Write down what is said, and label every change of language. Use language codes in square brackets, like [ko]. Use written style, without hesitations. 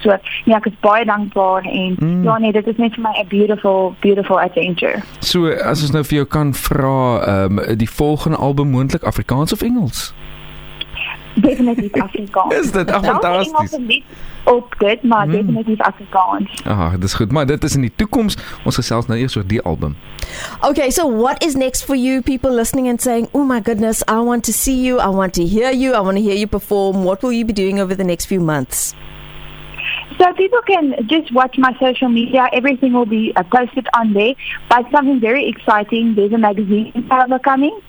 [af] So, ja, ek is baie dankbaar, en ja, nee, dit is net vir my [en] a beautiful, beautiful adventure. [af] So, as ons nou vir jou kan vra, die volgende album moontlik Afrikaans of Engels? Definitief Afrikaans. Is dit fantastisch? Nou, Engels en lied op dit, maar definitief Afrikaans. Ah, dit is goed. Maar dit is in die toekomst. Ons gesels nou eerst oor die album. [en] Okay, so what is next for you? People listening and saying, oh my goodness, I want to see you. I want to hear you. I want to hear you perform. What will you be doing over the next few months? So people can just watch my social media. Everything will be posted on there. But something very exciting, there's a magazine cover coming.